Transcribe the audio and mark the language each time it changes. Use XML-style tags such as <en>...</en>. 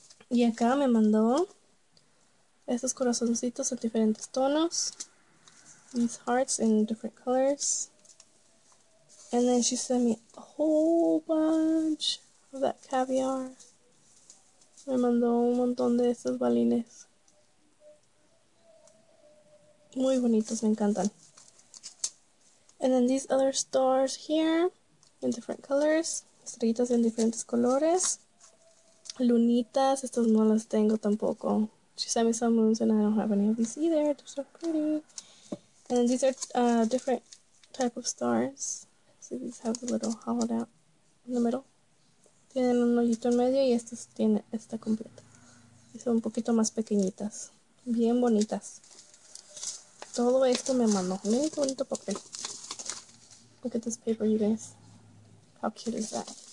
<es>Y acá me mandó estos corazoncitos en diferentes tonos.</es> <en>These hearts in different colors. And then she sent me a whole bunch of that caviar.</en> <es>Me mandó un montón de estos balines. Muy bonitos, me encantan.</es> <en>And then these other stars here in different colors.</en> <es>Estrellitas en diferentes colores. Lunitas, estos no las tengo tampoco.</es> <en>She sent me some moons and I don't have any of these either. They're so pretty. And then these are different type of stars. See, these have a little hollowed out in the middle.</en> <es>Tienen un hoyito en medio y estas tienen esta completa. Y son un poquito más pequeñitas. Bien bonitas. Todo esto me mandó. Miren qué bonito papel.</es> <en>Look at this paper, you guys. How cute is that?</en>